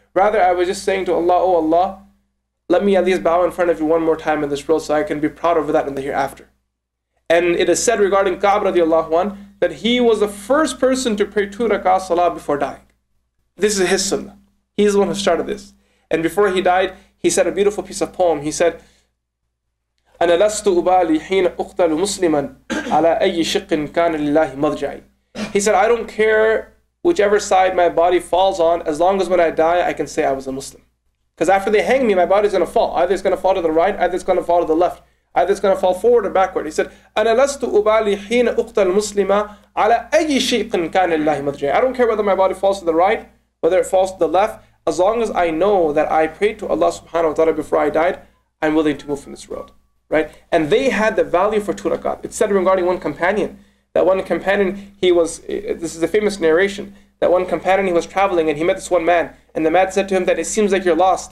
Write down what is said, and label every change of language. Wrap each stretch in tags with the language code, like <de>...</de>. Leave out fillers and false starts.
<en>Rather, I was just saying to Allah, oh Allah, let me at least bow in front of you one more time in this world so I can be proud over that in the hereafter. And it is said regarding Ka'b radiallahu anh that he was the first person to pray 2 rakat salah before dying. This is his sunnah. He's the one who started this. And before he died, he said a beautiful piece of poem.</en> <ar>He said, أَنَا لَسْتُ أُبَالِي حِينَ أُقْتَلُ مُسْلِمًا عَلَى أَيِّ شِقٍ كَانَ لِلَّهِ مَضْجَعِ.</ar> <en>He said, I don't care whichever side my body falls on, as long as when I die, I can say I was a Muslim. Because after they hang me, my body's going to fall. Either it's going to fall to the right, either it's going to fall to the left. Either it's going to fall forward or backward.</en> <ar>He said, أَنَا لَسْتُ أُبَالِي حِينَ أُقْتَلُ مُسْلِمًا عَلَى أَيِّ شِقٍ كَانَ لِلَّهِ مَضْجَعِ.</ar> <en>I don't care whether my body falls to the right, whether it falls to the left, as long as I know that I prayed to Allah subhanahu wa ta'ala before I died, I'm willing to move from this world. Right? And they had the value for 2 rakat. It said regarding one companion, that one companion, he was, this is a famous narration, that one companion, he was traveling and he met this one man, and the man said to him that it seems like you're lost.</en>